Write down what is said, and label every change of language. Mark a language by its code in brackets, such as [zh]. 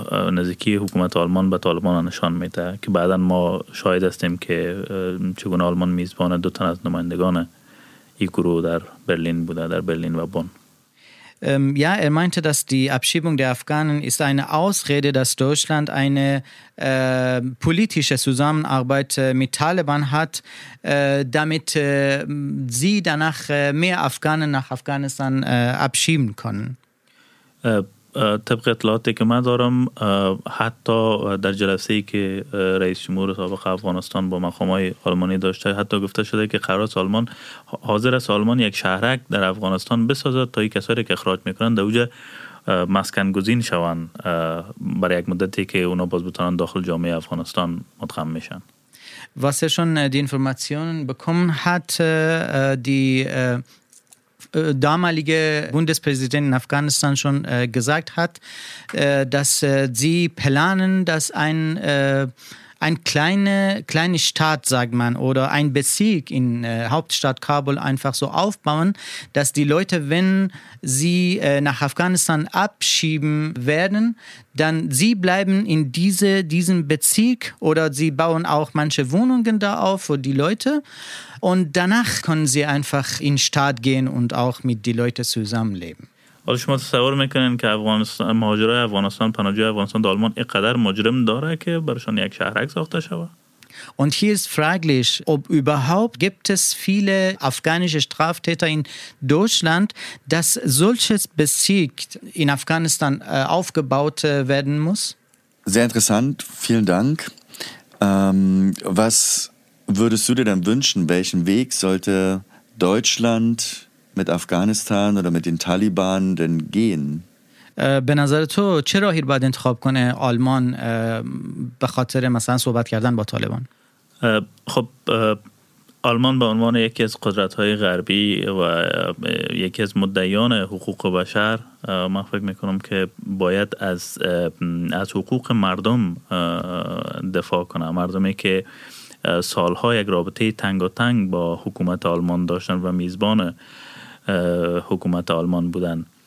[fa] نزدیکی حکومت آلمان به طالبان نشان میده، که بعدا ما شاهد هستیم که چگونه آلمان میزبان دو تن از نمایندگان این گروه در برلین بوده، در برلین و بن. [de] Ja, er meinte, dass die Abschiebung der Afghanen ist eine Ausrede, dass Deutschland eine politische Zusammenarbeit mit Taliban hat, damit sie danach mehr Afghanen nach Afghanistan abschieben können. [fa] طبق اطلاعاتی که من دارم حتی در جلسه‌ای که رئیس جمهور سابق افغانستان با مقامات آلمانی داشته حتی گفته شده که قرار است آلمان حاضر است آلمان یک شهرک در افغانستان بسازد تا این کسایی که اخراج میکنن در اونجا مسکن گزین شوند برای یک مدتی که اونا باز بتونن داخل جامعه افغانستان مدغم میشن. واسه شون دی انفورماسیون بکم حت دی [de] damalige Bundespräsidentin Afghanistan schon gesagt hat, dass sie planen, dass ein kleiner Staat, sagt man, oder ein Bezirk in Hauptstadt Kabul einfach so aufbauen, dass die Leute, wenn sie nach Afghanistan abschieben werden, dann sie bleiben in diesem Bezirk oder sie bauen auch manche Wohnungen da auf für die Leute und danach können sie einfach in Staat gehen und auch mit den Leuten zusammenleben. [fa] حالا شما تصور میکنین که افغانستان مهاجرای افغانستان پناهجوی افغانستان در آلمان اینقدر مجرم داره که برشان یک شهرک ساخته شود؟ [de] Und hier ist fraglich, ob überhaupt gibt es viele afghanische Straftäter in Deutschland, dass solches Bezirk in Afghanistan aufgebaut werden muss? Sehr interessant, vielen Dank. Was würdest du dir dann wünschen, welchen Weg sollte Deutschland mit Afghanistan oder mit den Taliban denn gehen? [fa] به نظر تو چه راهی باید انتخاب کنه آلمان به خاطر مثلا صحبت کردن با طالبان؟ خب آلمان به عنوان یکی از قدرت‌های غربی و یکی از مدعیان حقوق بشر من فکر میکنم که باید از حقوق مردم دفاع کنه، مردمی که سالها یک رابطه تنگاتنگ با حکومت آلمان داشتن و میزبان حکومت آلمان بودن.